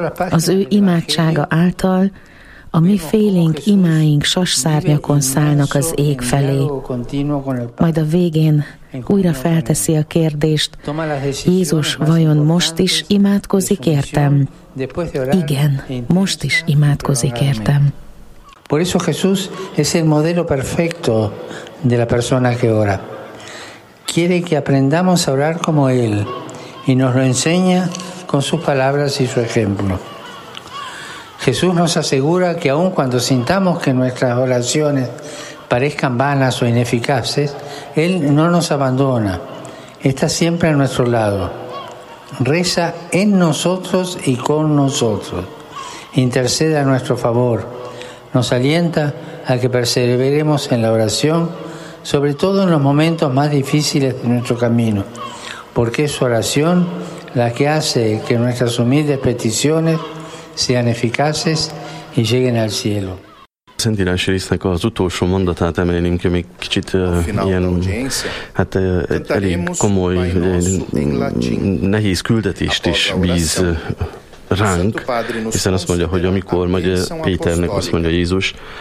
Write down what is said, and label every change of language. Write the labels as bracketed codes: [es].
[hu] Az ő imádsága által a mi félénk imáink sasszárnyakon szállnak az ég felé. Majd a végén újra felteszi a kérdést, Jézus vajon most is imádkozik értem? Igen, most is imádkozik értem. [es] Por eso Jesús es el modelo perfecto de la persona que ora. Quiere que aprendamos a orar como él y nos lo enseña con sus palabras y su ejemplo. Jesús nos asegura que aun cuando sintamos que nuestras oraciones parezcan vanas o ineficaces, él no nos abandona. Está siempre a nuestro lado. Reza en nosotros y con nosotros. Intercede a nuestro favor. Nos alienta a que perseveremos en la oración, sobre todo en los momentos más difíciles de nuestro camino, porque es su oración la que hace que nuestras humildes peticiones sean eficaces y lleguen al cielo. [hu] Szentírási résznek az utolsó mondatát emelném ki, még kicsit ilyen, hát elég komoly, nehéz küldetést is bíz ránk, hiszen azt mondja, hogy amikor majd Péternek azt mondja Jézus,